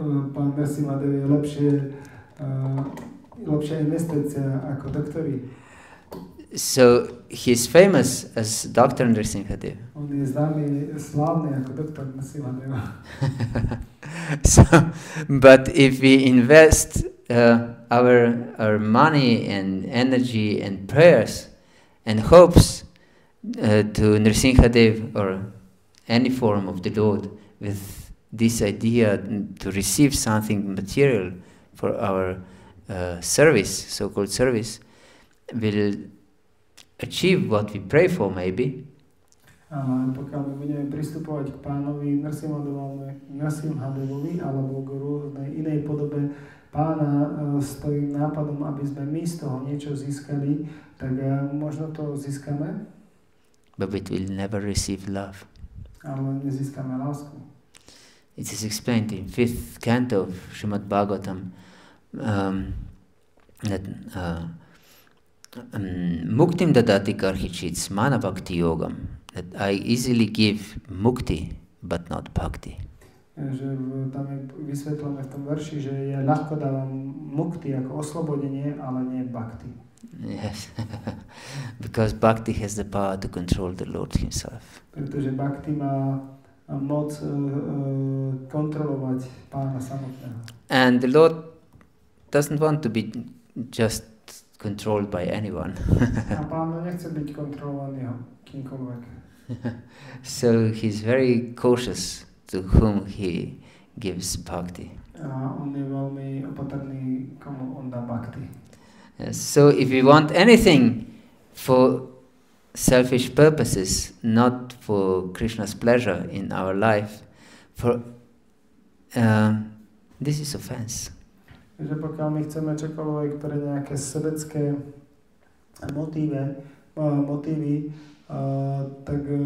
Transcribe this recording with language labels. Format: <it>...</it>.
<sk>Pán Nrsimhadev je lepšie lepšia investícia ako doktori.</sk> <en>So he's famous as Dr. Nrsimhadev.</en> <sk>On je známy, slavný ako doktor Nrsimhadev.</sk> <en>So, but if we invest our money and energy and prayers and hopes to Nrsimhadev or any form of the Lord with this idea to receive something material for our service, so-called service, will achieve what we pray for, maybe.</en> <sk>Pokiaľ my budeme pristupovať k pánovi Nrsimhadevovi alebo k rôznej inej podobe pána s tým nápadom, aby sme my z toho niečo získali, tak možno to získame.</sk> <en>But we will never receive love.</en> <sk>Ale nezískame lásku.</sk> <en>It is explained in 5th canto of Srimad Bhagavatam that</en> <sa>muktim dadati karhichits mana bhakti yogam,</sa> <en>that I easily give mukti but not bhakti.</en> <sk>Že tam je vysvetlené v tom verši, že ja ľahko dávam mukti ako oslobodenie, ale nie bhakti.</sk> <en>Yes, because bhakti has the power to control the Lord himself.</en> <sk>Pretože bhakti má moc kontrolovať pána samotného.</sk> <en>And the Lord doesn't want to be just controlled by anyone.</en> <sk>A pán nechce byť kontrolovaný kýmkoľvek.</sk> <en>So he's very cautious to whom he gives bhakti.</en> <sk>On je veľmi opatrný, komu on dá bhakti.</sk> <en>So if we want anything for selfish purposes, not for Krishna's pleasure in our life, for this is offense.</en> <sk>Že pokiaľ my chceme čokoľvek pre nejaké sebecké motívy, tak</sk>